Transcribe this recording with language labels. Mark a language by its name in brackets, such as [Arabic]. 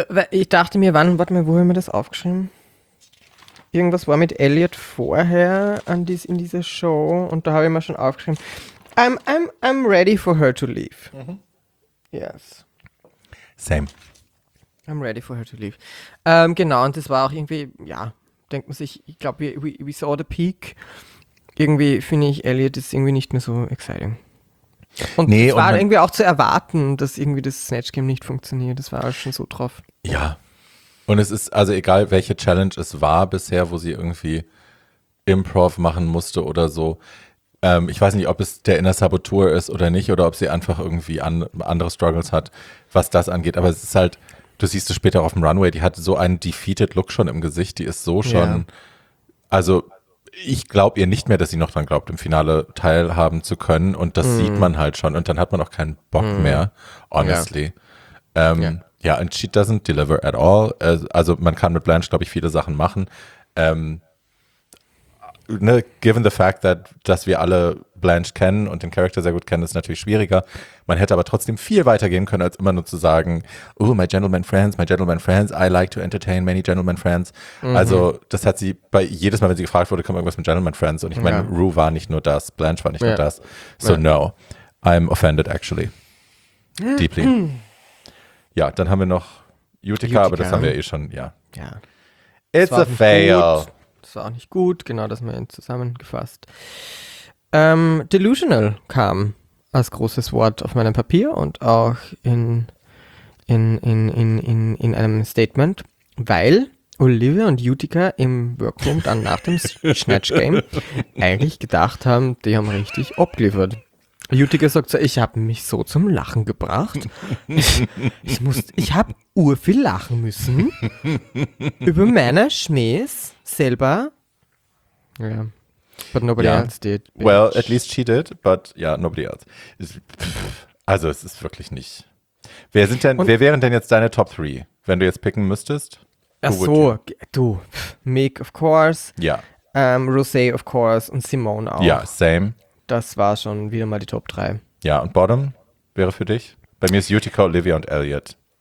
[German] Ich dachte mir, wann, warte mal, wo haben wir das aufgeschrieben? Irgendwas war mit Elliot vorher in dieser Show und da habe ich mir schon aufgeschrieben. [English] I'm ready for her to leave. Mhm. Yes. Same. I'm ready for her to leave. [German] Genau, und das war auch irgendwie, ja, denkt man sich, ich glaube, [English] we saw the peak. [German] Irgendwie finde ich, Elliot ist irgendwie nicht mehr so exciting. Und nee, es war irgendwie auch zu erwarten, dass irgendwie das Snatch Game nicht funktioniert. Das war auch schon so drauf. Ja. Und es ist, also egal, welche Challenge es war bisher, wo sie irgendwie Improv machen musste oder so. Ich weiß nicht, ob es der Inner Saboteur ist oder nicht, oder ob sie einfach irgendwie andere Struggles hat, was das angeht. Aber es ist halt, du siehst es später auf dem Runway, die hat so einen defeated Look schon im Gesicht. Die ist so schon, also ich glaube ihr nicht mehr, dass sie noch dran glaubt, im Finale teilhaben zu können. Und das sieht man halt schon. Und dann hat man auch keinen Bock mehr, honestly. [English] Ja, and she doesn't deliver at all. [German] Also man kann mit Blanche, glaube ich, viele Sachen machen. Ne, [English] given the fact that, [German] dass wir alle Blanche kennen und den Charakter sehr gut kennen, ist natürlich schwieriger. Man hätte aber trotzdem viel weiter gehen können, als immer nur zu sagen, [English] oh, my gentleman friends, I like to entertain many gentleman friends. [German] Mhm. Also das hat sie, bei jedes Mal, wenn sie gefragt wurde, kommt irgendwas mit gentleman friends. Und ich meine, Rue war nicht nur das, Blanche war nicht nur das. [English] So no, I'm offended actually. Deeply. [German] Ja, dann haben wir noch Utica, aber das haben wir eh schon, ja. Ja. [English] It's a fail. [German] Das war auch nicht gut, genau das mal zusammengefasst. Delusional kam als großes Wort auf meinem Papier und auch in einem Statement, weil Olivia und Utica im Workroom dann nach dem Snatch Game eigentlich gedacht haben, die haben richtig abgeliefert. Utica sagt so, ich habe mich so zum Lachen gebracht. Ich habe urviel lachen müssen über meine Schmähs selber. [English] Ja, yeah. But nobody else did. Bitch. Well, at least she did, but yeah, nobody else. [German] Also es ist wirklich nicht. Wer wären denn jetzt deine Top 3, wenn du jetzt picken müsstest? Ach so, du. Mick, [English] of course. [German] Ja. [English] Yeah. Rosé, of course. [German] Und Simone auch. [English] Ja, yeah, same. [German] Das war schon wieder mal die Top 3. Ja, und Bottom wäre für dich? Bei mir ist Utica, Olivia und Elliot.